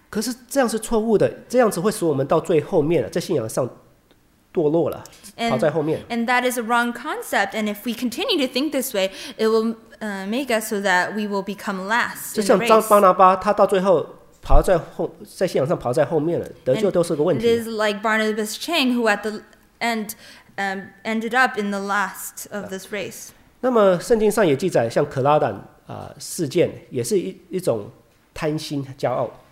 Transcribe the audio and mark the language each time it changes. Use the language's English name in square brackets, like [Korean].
[Chinese] 可是这样是错误的，这样子会使我们到最后面在信仰上堕落了，跑在后面。 [English] And that is a wrong concept. And if we continue to think this way, it will make us so that we will become last. [Chinese] 就像张巴拿巴，他到最后。跑在后，在信仰上跑在后面了，得救都是个问题。 [English] It is like Barnabas Chang, who at the end ended up in the last of this race. [Chinese] 那么圣经上也记载，像可拉胆事件，也是一种贪心、骄傲。